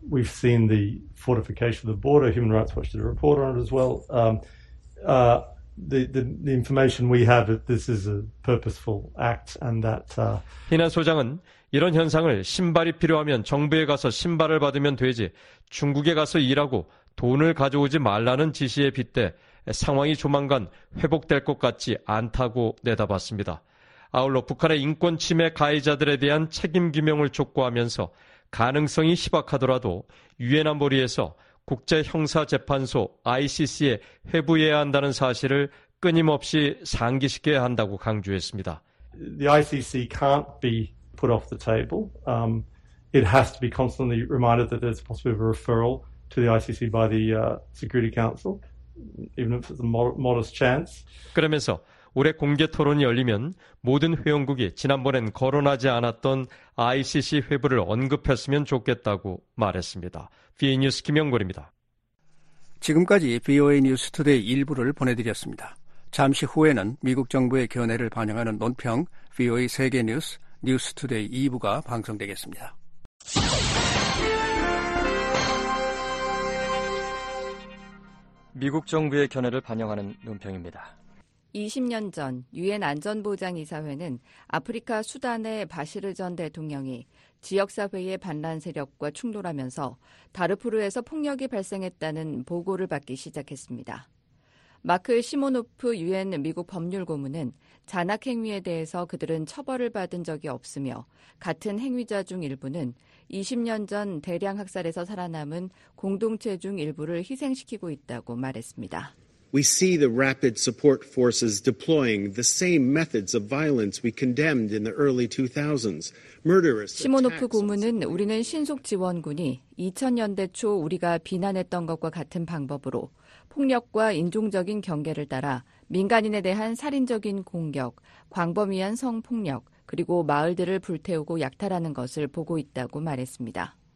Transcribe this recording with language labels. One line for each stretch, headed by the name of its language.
English: We've seen the fortification of the border. Human Rights Watch did a report on it as well. The information we have that this is a purposeful act and that
Korean: 히난 소장은 이런 현상을 신발이 필요하면 정부에 가서 신발을 받으면 되지 중국에 가서 일하고 돈을 가져오지 말라는 지시에 빗대 상황이 조만간 회복될 것 같지 않다고 내다봤습니다. 아울러 북한의 인권 침해 가해자들에 대한 책임 규명을 촉구하면서 가능성이 희박하더라도 유엔 안보리에서 국제형사재판소 ICC에 회부해야 한다는 사실을 끊임없이 상기시켜야 한다고 강조했습니다.
English: The ICC can't be put off the table. It has to be constantly reminded that there's possibly a referral to the ICC by the Security Council, even if it's a modest chance.
Korean: 그러면서 올해 공개 토론이 열리면 모든 회원국이 지난번엔 거론하지 않았던 ICC 회부를 언급했으면 좋겠다고 말했습니다. VOA 뉴스 김영걸입니다. 지금까지 VOA 뉴스 투데이 일부를 보내드렸습니다. 잠시 후에는 미국 정부의 견해를 반영하는 논평 VOA 세계 뉴스 뉴스 투데이 2부가 방송되겠습니다. 미국 정부의 견해를 반영하는 논평입니다. 20년 전 유엔 안전보장이사회는 아프리카 수단의 바시르 전 대통령이 지역사회의 반란 세력과 충돌하면서 다르푸르에서 폭력이 발생했다는 보고를 받기 시작했습니다. 마크 시모노프 유엔 미국 법률 고문은 잔악 행위에 대해서 그들은 처벌을 받은 적이 없으며 같은 행위자 중 일부는 20년 전 대량 학살에서 살아남은 공동체 중 일부를 희생시키고 있다고 말했습니다.
English: We see the rapid support forces deploying the same methods of violence we condemned in the early 2000s. Murderous.
Korean: 시모노프 고문은 우리는 신속 지원군이 2000년대 초 우리가 비난했던 것과 같은 방법으로 폭력과 인종적인 경계를 따라 민간인에 대한 살인적인 공격, 광범위한 성폭력, 그리고 마을들을 불태우고 약탈하는 것을 보고 있다고 말했습니다.